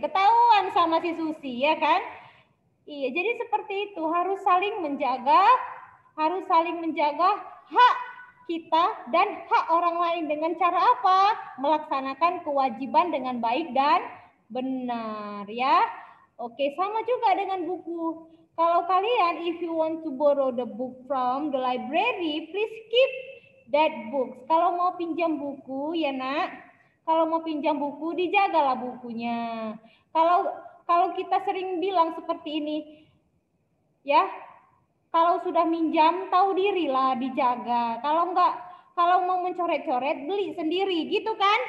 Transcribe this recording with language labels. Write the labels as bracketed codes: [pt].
[id] Ketahuan sama si Susi, ya kan? Iya, jadi seperti itu. Harus saling menjaga hak kita dan hak orang lain dengan cara apa? Melaksanakan kewajiban dengan baik dan benar, ya. Oke, sama juga dengan buku. Kalau kalian, [en] if you want to borrow the book from the library, please keep that book. [id] Kalau mau pinjam buku, ya nak, kalau mau pinjam buku, dijagalah bukunya. Kalau kita sering bilang seperti ini, ya, kalau sudah minjam, tahu dirilah, dijaga. Kalau mau mencoret-coret, beli sendiri. Gitu kan?